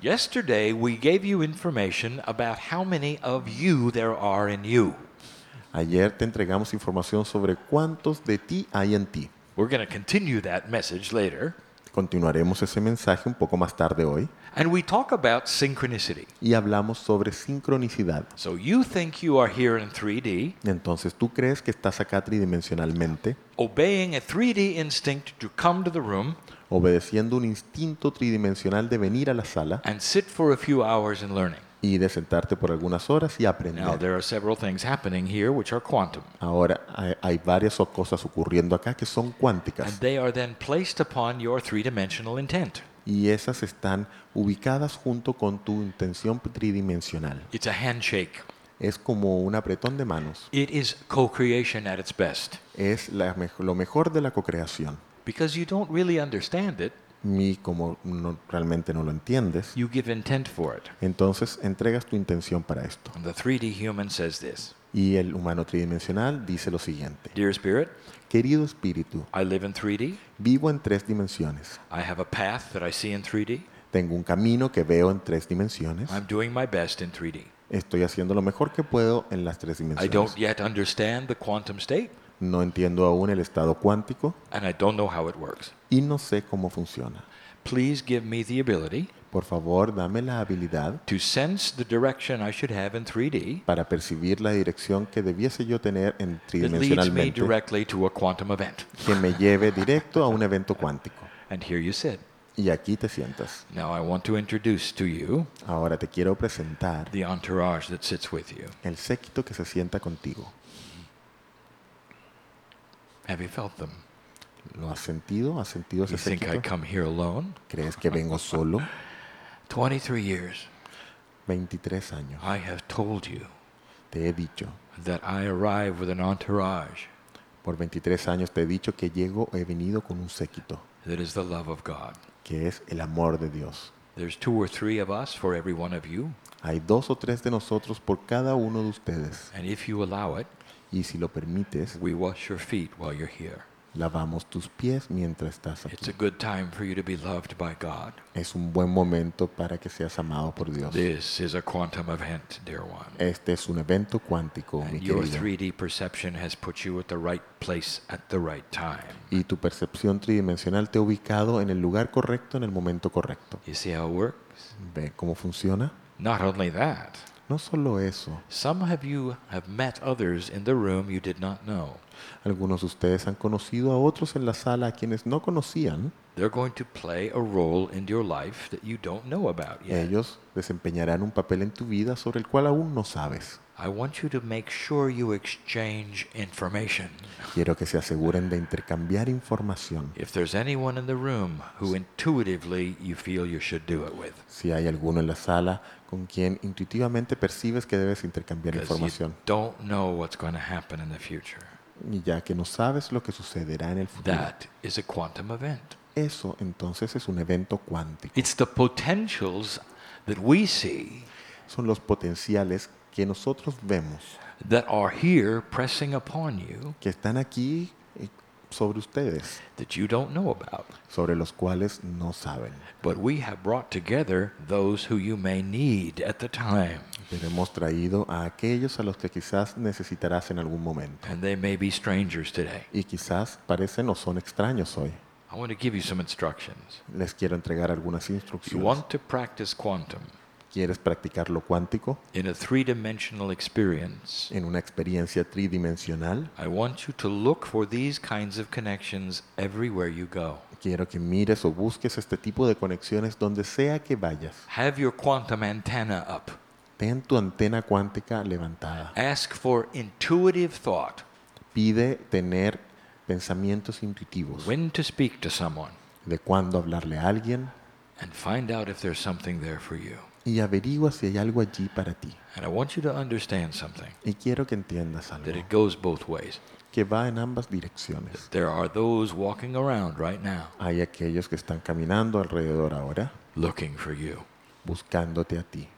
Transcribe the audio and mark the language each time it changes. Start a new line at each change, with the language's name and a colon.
English: Yesterday we gave you information about how many of you there are in you.
Spanish: Ayer te entregamos información sobre cuántos de ti hay en ti.
English: We're going to continue that message later.
Spanish: Continuaremos ese mensaje un poco más tarde hoy.
English: And we talk about synchronicity.
Spanish: Y hablamos sobre sincronicidad.
English: So you think you are here in 3D.
Spanish: Entonces tú crees que estás acá tridimensionalmente.
English: Obeying a 3D instinct to come to the room.
Spanish: Obedeciendo un instinto tridimensional de venir a la sala.
English: And sit for a few hours and learning.
Spanish: Y de sentarte por algunas horas y aprender.
English: Now there are several things happening here which are quantum.
Spanish: Ahora hay varias cosas ocurriendo acá que son cuánticas.
English: And they are then placed upon your three-dimensional intent.
Spanish: Y esas están ubicadas junto con tu intención tridimensional.
English: It's a handshake.
Spanish: Es como un apretón de manos.
English: It is co-creation at its best.
Spanish: Es lo mejor de la co-creación.
English: Because you don't really understand it.
Spanish: Y como no, realmente no lo entiendes.
English: You give intent for it.
Spanish: Entonces entregas tu intención para esto.
English: And the 3D human says this.
Spanish: Y el humano tridimensional dice lo siguiente.
English: Dear spirit,
Spanish: querido espíritu,
English: I live in 3D.
Spanish: Vivo en tres dimensiones.
English: I have a path that I see in 3D.
Spanish: Tengo un camino que veo en tres dimensiones.
English: I'm doing my best in 3D.
Spanish: Estoy haciendo lo mejor que puedo en las tres dimensiones.
English: I don't yet understand the quantum state.
Spanish: No entiendo aún el estado cuántico.
English: And I don't know how it works.
Spanish: Y no sé cómo funciona.
English: Please give me the ability.
Spanish: Por favor, dame la habilidad
English: to sense the direction I should have in 3D,
Spanish: para percibir la dirección que debiese yo tener en tridimensionalmente,
English: that leads me directly to a quantum event.
Spanish: Que me lleve directo a un evento cuántico.
English: And here you sit.
Spanish: Y aquí te sientas.
English: Now I want to introduce to you,
Spanish: ahora te quiero presentar
English: the entourage that sits with you.
Spanish: El séquito que se sienta contigo.
English: Have you felt them?
Spanish: ¿Lo has sentido? ¿Has sentido ese séquito?
English: You think I come here alone?
Spanish: ¿Crees que vengo solo?
English: 23 years.
Spanish: 23 años.
English: I have told you.
Spanish: Te he dicho.
English: That I arrive with an entourage.
Spanish: Por 23 años te he dicho que llego, he venido con un séquito.
English: That is the love of God.
Spanish: Que es el amor de Dios.
English: There's two or three of us for every one of you.
Spanish: Hay dos o tres de nosotros por cada uno de ustedes.
English: And if you allow it.
Spanish: Y si lo permites.
English: We wash your feet while you're here.
Spanish: Lavamos tus pies mientras estás aquí.
English: It's a good time for you to be loved by God.
Spanish: Es un buen momento para que seas amado por Dios.
English: This is a quantum event, dear one.
Spanish: Este es un evento cuántico,
English: and
Spanish: mi querido.
English: Your 3D perception has put you at the right place at the right time.
Spanish: Y tu percepción tridimensional te ha ubicado en el lugar correcto en el momento correcto.
English: You see how it works?
Spanish: ¿Ve cómo funciona?
English: Not only that.
Spanish: No solo eso.
English: Some of you have met others in the room you did not know.
Spanish: Algunos de ustedes han conocido a otros en la sala a quienes no conocían.
English: They're going to play a role in your life that you don't know about yet.
Spanish: Ellos desempeñarán un papel en tu vida sobre el cual aún no sabes.
English: I want you to make sure you exchange information.
Spanish: Quiero que se aseguren de intercambiar información.
English: If there's anyone in the room who intuitively you feel you should do it with.
Spanish: Si hay alguno en la sala con quien intuitivamente percibes que debes intercambiar información.
English: You don't know what's going to happen in the future.
Spanish: Y ya que no sabes lo que sucederá en el futuro.
English: That is a quantum event.
Spanish: Eso entonces es un evento cuántico.
English: It's the potentials that we see.
Spanish: Son los potenciales que nosotros vemos.
English: That are here pressing upon you.
Spanish: Que están aquí sobre ustedes.
English: That you don't know about.
Spanish: Sobre los cuales no saben.
English: But we have brought together those who you may need at the time.
Spanish: Pero hemos traído a aquellos a los que quizás necesitarás en algún momento.
English: And they may be strangers today.
Spanish: Y quizás parecen o son extraños hoy.
English: I want to give you some instructions.
Spanish: Les quiero entregar algunas instrucciones.
English: You want to practice quantum.
Spanish: ¿Quieres practicar lo cuántico?
English: In a three-dimensional experience.
Spanish: En una experiencia tridimensional.
English: I want you to look for these kinds of connections everywhere you go.
Spanish: Quiero que mires o busques este tipo de conexiones donde sea que vayas.
English: Have your quantum antenna up.
Spanish: Ten tu antena cuántica levantada.
English: Ask for intuitive thought.
Spanish: Pide tener pensamientos intuitivos.
English: When to speak to someone.
Spanish: de cuándo hablarle a alguien.
English: And find out if there's something there for you.
Spanish: Y averigua si hay algo allí para ti.
English: And I want you to understand something.
Spanish: Y quiero que entiendas algo.
English: That it goes both ways.
Spanish: Que va en ambas direcciones.
English: There are those walking around right now.
Spanish: Hay aquellos que están caminando alrededor ahora.
English: Looking for you.
Spanish: Buscándote a ti.